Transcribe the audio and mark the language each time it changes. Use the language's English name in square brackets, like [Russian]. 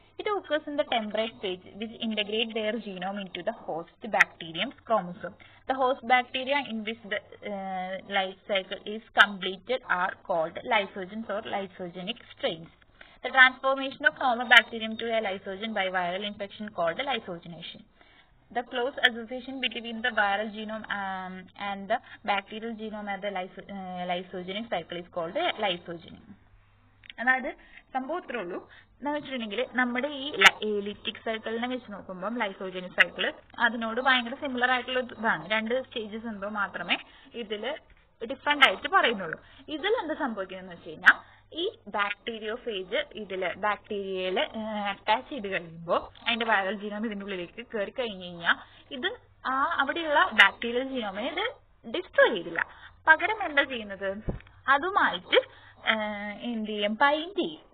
[English] It occurs in the temperate phase which integrate their genome into the host bacterium chromosome. The host bacteria in which the life cycle is completed are called lysogens or lysogenic strains. The transformation of normal bacterium to a lysogen by viral infection called lysogenation. The close association between the viral genome and the bacterial genome at the lysogenic cycle is called lysogenic. [Malayalam] അതായത് സംഭവത്തിലേ ഉള്ളൂ എന്ന് വെച്ചിട്ടുണ്ടെങ്കിൽ നമ്മുടെ ഈ lytic സൈക്കിളിനെ വെച്ച് നോക്കുമ്പോൾ lysogenic cycle അതിനോട് ഭയങ്കര സിമിലർ ആയിട്ടുള്ള ഇതാണ്. രണ്ട് സ്റ്റേജസ് ഉണ്ടോ മാത്രമേ ഇതിൽ ഡിഫറെന്റ് ആയിട്ട് പറയുന്നുള്ളൂ. ഇതിൽ എന്ത് സംഭവിക്കുന്നതെന്ന് വെച്ച് കഴിഞ്ഞാൽ ഈ ബാക്ടീരിയോഫേജ് ഇതിൽ ബാക്ടീരിയയിൽ അറ്റാച്ച് ചെയ്ത് കഴിയുമ്പോൾ അതിന്റെ വൈറൽ ജീനോം ഇതിന്റെ ഉള്ളിലേക്ക് കയറി കഴിഞ്ഞ് കഴിഞ്ഞാൽ ഇത് ആ അവിടെയുള്ള ബാക്ടീരിയൽ ജീനോമിനെ ഇത് ഡിസ്ട്രോയ് ചെയ്തില്ല, പകരം എന്താ ചെയ്യുന്നത്, അതുമായിട്ട് എന്ത് ചെയ്യും, ബൈൻഡ് ചെയ്യും.